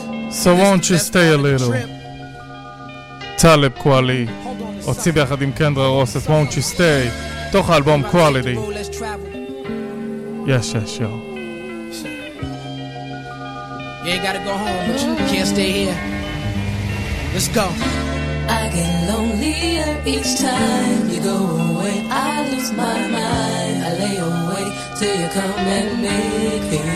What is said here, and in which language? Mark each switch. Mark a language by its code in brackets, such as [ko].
[en] So won't you stay a little? [he] Taleb Kweli הוציא ביחד עם קנדרה רוס את Won't You Stay תוך האלבום Quality. יש ישו. [en] You ain't gotta go home, but you can't stay here. Let's go. I get lonelier each time you go away. I lose my mind. I lay awake till you come and make me.